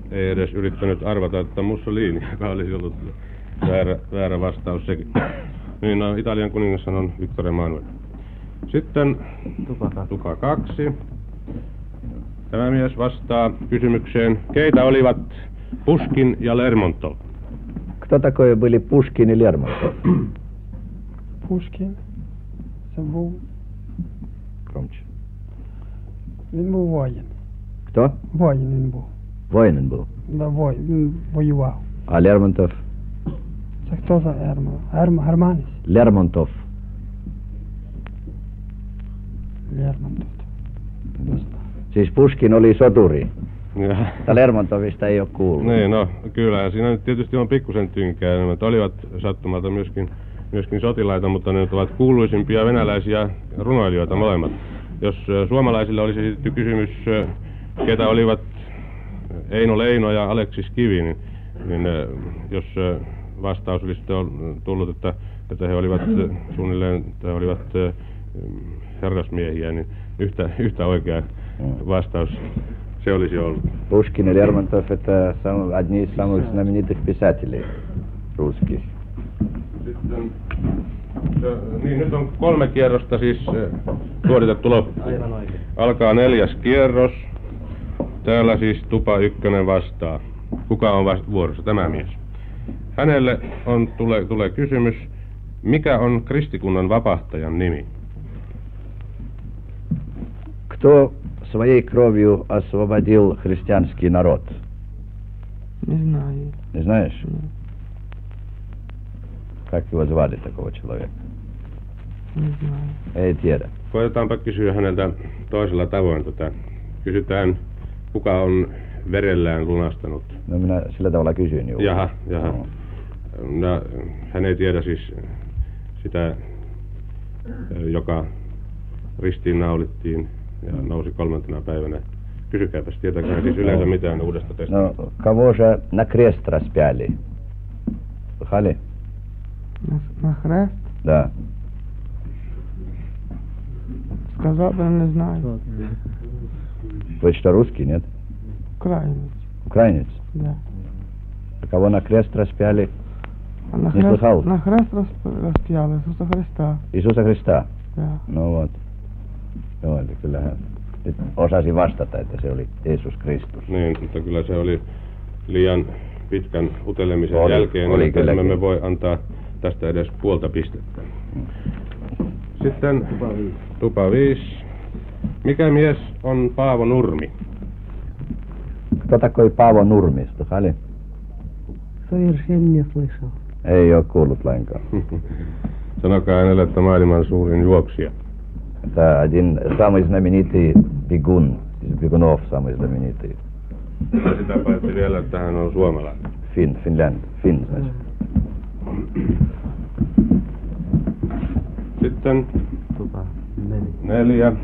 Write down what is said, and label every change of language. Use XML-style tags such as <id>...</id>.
<fi>Ei edes yrittänyt arvata, että Mussolini, joka olisi ollut väärä vastaus sekin. Niin, no, Italian kuningas on Victor Emmanuel. Sitten tupa 2. Tämä mies vastaa kysymykseen, keitä olivat Puškin ja Lermontov?</fi> <ru>Кто такое были Пушкин и Лермонтов? Пушкин. Это был... Громче. Он был воин. Кто? Воин он был. Воин он был? Да, воин. Он воевал. А Лермонтов? Это кто за Лермонтов? Германис? Лермонтов. Лермонтов. То есть Пушкин был сотури.</ru> <fi>Ja. Lermontovista ei ole kuullut. Niin, no kyllä. Siinä nyt tietysti on pikkusen tynkää. Ne olivat sattumalta myöskin sotilaita, mutta ne ovat kuuluisimpia venäläisiä runoilijoita molemmat. Jos suomalaisille olisi esitetty kysymys, ketä olivat Eino Leino ja Aleksis Kivi, niin jos vastaus olisi tullut, että he olivat suunnilleen tai olivat herrasmiehiä, niin yhtä oikea vastaus.</fi> <ru>Все ли сделал? Пушкин и Лермонтов – это одни из самых знаменитых писателей русских.</ru> <fi>Niin, nyt on 3 kierrosta siis suoritettu loppuun. Alkaa 4. kierros. Täällä siis tupa 1 vastaa. Kuka on vuorossa? Tämä mies. Hänelle on tulee kysymys, mikä on kristikunnan vapahtajan nimi?</fi> <ru>Кто своей кровью освободил христианский народ? Не знаю. Не знаешь? Нет. Как его звали, такого человека? Не знаю.</ru> <fi>Ei tiedä. Koetetaanpa kysyä häneltä toisella tavoin. Kysytään, kuka on verellään lunastanut. No minä sillä tavalla kysyin juuri. Jaha. No. Hän ei tiedä siis sitä, joka ristiinnaulittiin. Ja nousi 3. päivänä. Kysykääpäs, tietääkö siis yleensä mitään uudesta testamentista?</fi> <ru>No, кого же на крест распяли? Слыхали? На крест? Да. Сказал бы, не знаю. Вы что, русский, нет? Украинец. Украинец? Да. А кого на крест распяли? На не крест, слыхал? На крест распяли Иисуса Христа. Иисуса Христа? Да. Ну вот.</ru> <fi>Joo, että kyllähän nyt osasi vastata, että se oli Jeesus Kristus. Niin, mutta kyllä se oli liian pitkän utelemisen jälkeen, että me voi antaa tästä edes 0.5 pistettä. Sitten tupa 5. Mikä mies on Paavo Nurmi?</fi> <ru>Кто такой Paavo Nurmi, слыхали? Совершенно не слышал.</ru> <fi>Ei ole kuullut lainkaan. Sanokaa hänelle, että maailman suurin juoksija.</fi> <ru>Это один самый знаменитый бегун, из бегунов самый знаменитый. А сюда поэтивел, это он суомалан. Финн, Финлянд, Финн, значит.</ru> <fi>Sitten Tupa 4.</fi>